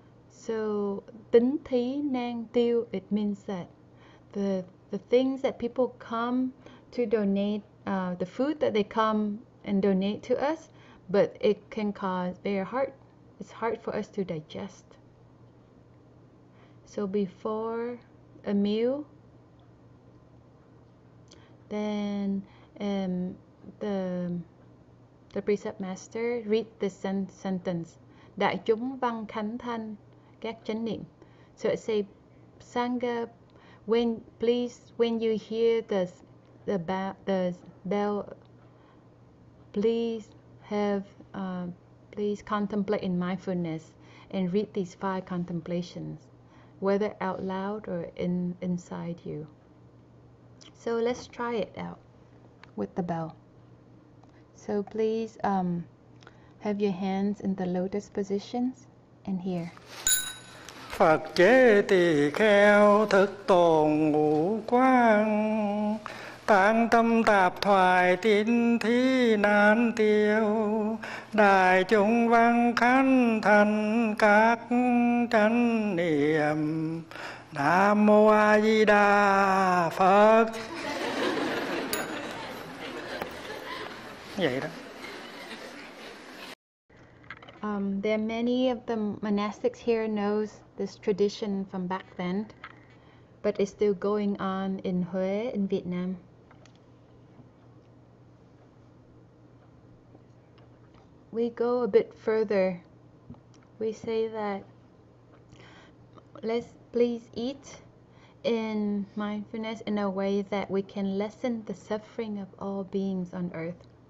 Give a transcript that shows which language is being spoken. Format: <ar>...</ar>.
<vi>So tính thí nang tiêu,</vi> <en>it means that the things that people come to donate, the food that they come and donate to us, but it can cause very hard, it's hard for us to digest. So before a meal, then the precept master read this sentence.</en> <vi>Đại chúng văn khánh thanh các chánh niệm.</vi> <en>So it say, Sangha, when you hear the bell, please contemplate in mindfulness. and read these five contemplations, whether out loud or inside you. So let's try it out with the bell. So please have your hands in the lotus positions and hear.</en> <vi>Phật chế tỳ kheo thức tồn ngũ quang tán tâm tạp thoại tín thi nan tiêu đại chúng văn khánh thành các chánh niệm nam mô a di đà phật vậy đó.</vi> <en>There are many of the monastics here knows this tradition from back then, but it's still going on in Huế in Vietnam. We go a bit further. We say that please eat in mindfulness in a way that we can lessen the suffering of all beings on earth.</en>